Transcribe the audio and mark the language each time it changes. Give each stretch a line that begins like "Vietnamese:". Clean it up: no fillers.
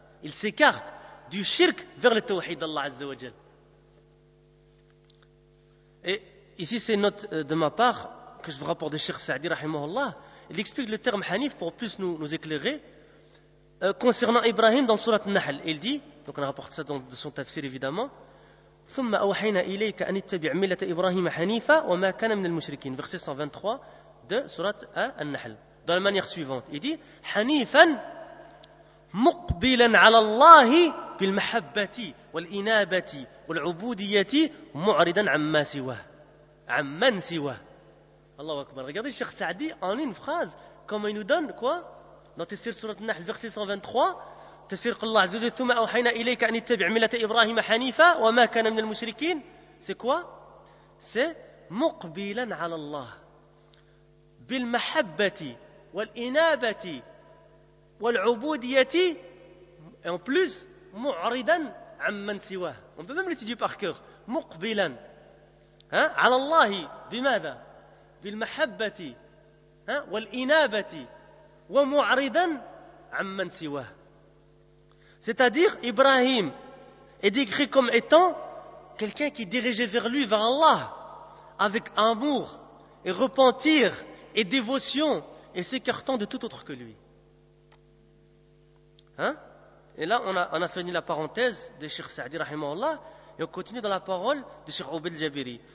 French: Il s'écarte du shirk vers le tawhid d'Allah Azza wa Jal. Et ici, c'est une note de ma part que je vous rapporte de Cheikh Saadi, rahimahullah. il explique le terme Hanif pour plus nous éclairer concernant Ibrahim dans sourate An-Nahl. Il dit, donc on rapporte ça dans son tafsir évidemment,
Arabic: ثم أوحينا إليك أن اتبع ملة إبراهيم حنيفة وما كان من المشركين.
French: Verset 123 de sourate An-Nahl. Dans la manière suivante, il dit
Arabic: حنيفا مقبلا على الله بالمحبة والإنابة والعبودية معرضا عن من سواه. Allahu Akbar.
French: Regardez le Cheikh Saadi en une phrase, comment il nous donne quoi dans tafsir sourate An-Nahl, verset 123.
Arabic: تسير الله عز وجل ثم أوحينا إليك أن اتبع ملة إبراهيم حنيفة وما كان من المشركين.
French: C'est quoi? C'est
Arabic: مقبلا على الله بالمحبة والإنابة والعبودية
French: et en plus
Arabic: معرضا عن من سواه.
French: On peut même l'étudier par cœur.
Arabic: مقبلا على الله بماذا؟ بالمحبة والإنابة ومعرضا عن من سواه.
French: C'est-à-dire, Ibrahim est décrit comme étant quelqu'un qui dirigeait vers lui, vers Allah, avec amour et repentir et dévotion et s'écartant de tout autre que lui. Hein? Et là, on a fini la parenthèse de Cheikh Saadi, rahimahullah, et on continue dans la parole de Cheikh Obel Jabiri.